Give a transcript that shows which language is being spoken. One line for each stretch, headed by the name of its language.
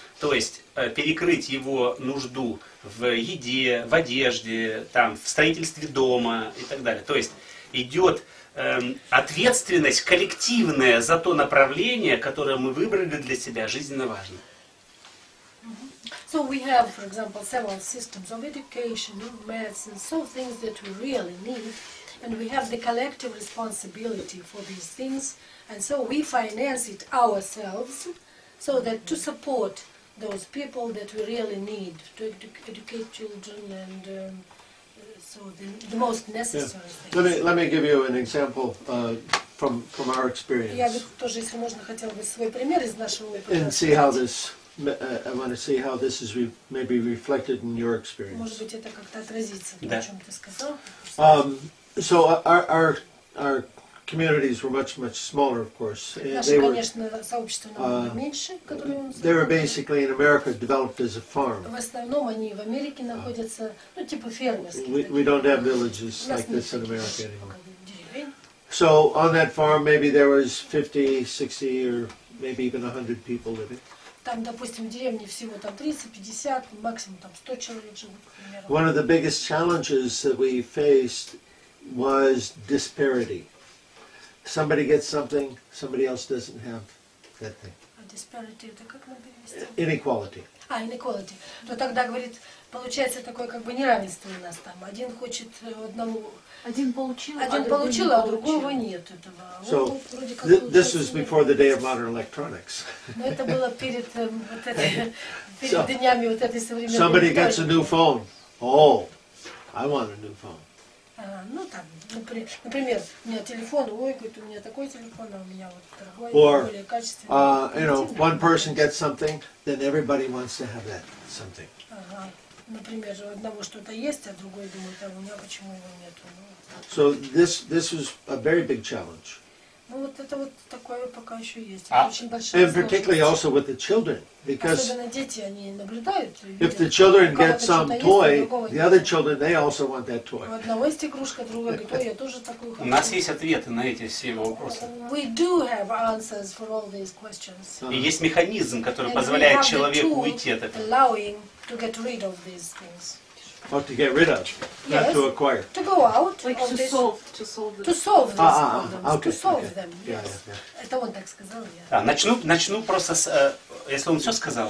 Russian: То есть перекрыть его нужду в еде, в одежде, там, в строительстве дома и так далее. То есть идет ответственность коллективная за то направление, которое мы выбрали для себя, жизненно важно.
English: So we have, for example, several systems of education, medicine, so things that we really need, and we have the collective responsibility for these things, and so we finance it ourselves, so that to support those people that we really need, to educate children, and so the most necessary things. Let me give you an example from our experience.
Russian: Я тоже, если можно, хотела бы свой пример из нашего опыта.
English: And see how this... I want to see how this is maybe reflected in your experience.
Russian: Может быть, это как-то отразится в том, о чем ты сказал.
English: So our communities were much much smaller, of course.
Russian: Наше, конечно, сообщество намного меньше, которое он.
English: They were basically in America developed as a farm.
Russian: В основном они в Америке находятся, ну типа фермерские.
English: We don't have villages like this in America anymore. So on that farm, maybe there was 50, 60, or maybe even 100 people living.
Russian: Там, допустим, в деревне всего там 30-50, максимум там 100 человек живут, например.
English: One of the biggest challenges that we faced was disparity. Somebody gets something, somebody else doesn't have that thing.
Russian: А disparity это как мы перевести? Inequality.
English: Inequality.
Russian: То тогда, говорит, получается такое как бы неравенство у нас там. Один хочет одному... Один получил, а другого нет этого.
English: So, this was before the day of modern electronics.
Russian: Но это было перед вот этими днями вот этой современной...
English: Somebody gets a new phone. Oh, I want a new phone.
Russian: Ну там, например, у меня телефон, ой, говорит, у меня такой телефон, а у меня вот другой,
English: Or,
Russian: более качественный.
English: You know, one person gets something, then everybody wants to have that something.
Russian: Ага. Например, у одного что-то есть, а другой думает, а у меня почему его нету.
English: So this was a very big challenge.
Russian: Ну вот это вот такое пока еще есть. Это очень большая.
English: And particularly also with the children, because
Russian: особенно дети, они наблюдают.
English: If the children get some toy, the other children they also want that toy.
Russian: У одного есть игрушка, другой говорит, ой, я тоже такую хочу. У нас есть ответы на эти все вопросы.
English: We do have answers for all these questions.
Russian: И есть механизм, который позволяет человеку уйти от этого.
English: Allowing to get rid of these things. Or to get rid of, not yes, to acquire. To go out, like on to this, solve, to solve this problem, okay, to solve okay. them. Yes. Yeah.
Russian: Это он так сказал, я. Да, начну просто с, если он все сказал.